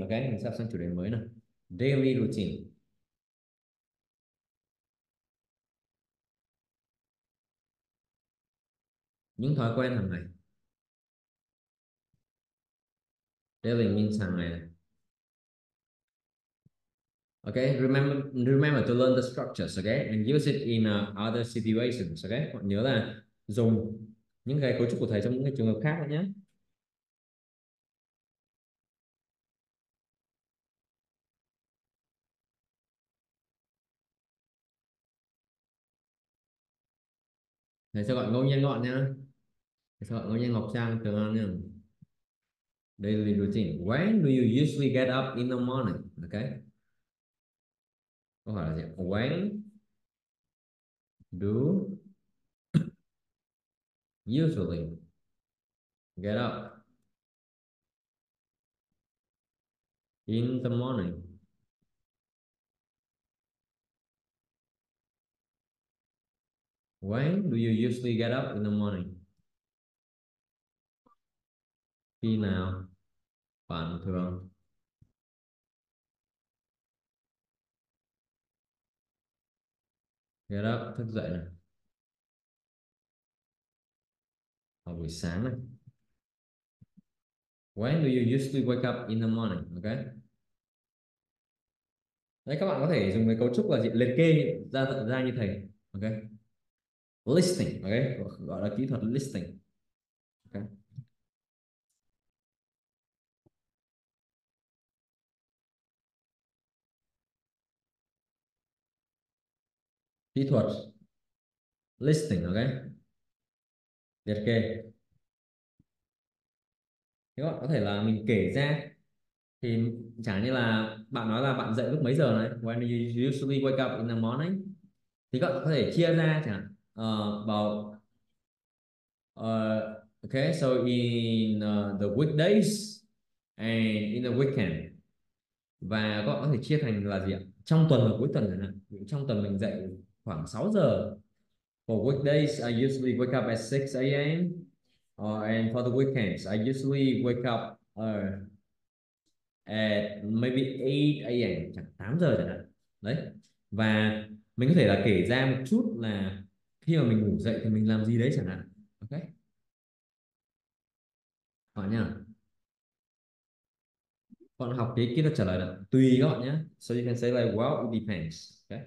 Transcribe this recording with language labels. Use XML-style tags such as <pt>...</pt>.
<vi>Okay, mình sắp sang chủ đề mới nè. Daily routine. Những thói quen hàng ngày.</vi> <en>Daily means</en> <vi>hàng ngày này.</vi> <en>Okay, remember to learn the structures, okay, and use it in other situations, okay.</en> <vi>Còn nhớ là dùng những cái cấu trúc của thầy trong những cái trường hợp khác nữa nhé. Thầy sẽ gọi ngẫu nhiên gọn nhé. Thầy sẽ gọi ngẫu nhiên Ngọc Trang, Tường An nhé.</vi> <en>Daily routine. When do you usually get up in the morning? Okay.</en> <vi>Câu hỏi là gì?</vi> <en>When do usually get up in the morning? When do you usually get up in the morning?</en> <vi>Khi nào bạn thường get up, thức dậy này. Vào buổi sáng này.</vi> <en>When do you usually wake up in the morning? Okay.</en> <vi>Đấy, các bạn có thể dùng cái cấu trúc là gì? Liệt kê ra như thầy. Okay. Listing. Okay. Gọi là kỹ thuật listing. Okay. Kỹ thuật listing, ok, liệt kê. Thế các bạn có thể là mình kể ra thì chẳng như là bạn nói là bạn dậy lúc mấy giờ này,</vi> <en>when do you usually wake up in the morning,</en> <vi>thì các bạn có thể chia ra chẳng vào</vi> <en>okay, so in the weekdays and in the weekend,</en> <vi>và các bạn có thể chia thành là gì ạ, trong tuần và cuối tuần chẳng hạn. Trong tuần mình dậy khoảng 6 giờ.</vi> <en>For weekdays, I usually wake up at 6 a.m. And for the weekends, I usually wake up at maybe 8 a.m.</en> <vi>chẳng 8 giờ chẳng hạn. Đấy. Và mình có thể là kể ra một chút là khi mà mình ngủ dậy thì mình làm gì đấy chẳng hạn. Ok. Còn nhá. Còn học cái kỹ thuật trả lời là tùy các bạn nhé.</vi> <en>So you can say like, well, it depends.</en>